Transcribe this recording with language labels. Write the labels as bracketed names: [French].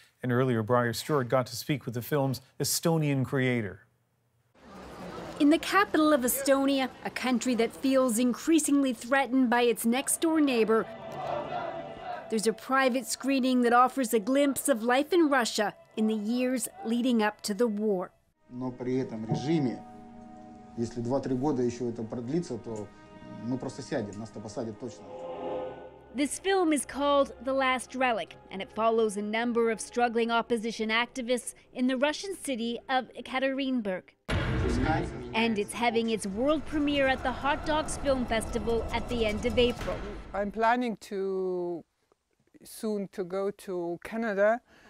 [English] And earlier, Briar Stewart got to speak with the film's Estonian creator. In the capital of Estonia, a country that feels increasingly threatened by its next-door neighbor, there's a private screening that offers a glimpse of life in Russia in the years leading up to the war. [Russian] Но при этом режиме, если 2-3 года еще это продлится, то мы просто сядем, нас-то посадят точно. [English] This film is called The Last Relic, and it follows a number of struggling opposition activists in the Russian city of Ekaterinburg. And it's having its world premiere at the Hot Dogs Film Festival at the end of April. I'm planning to soon to go to Canada.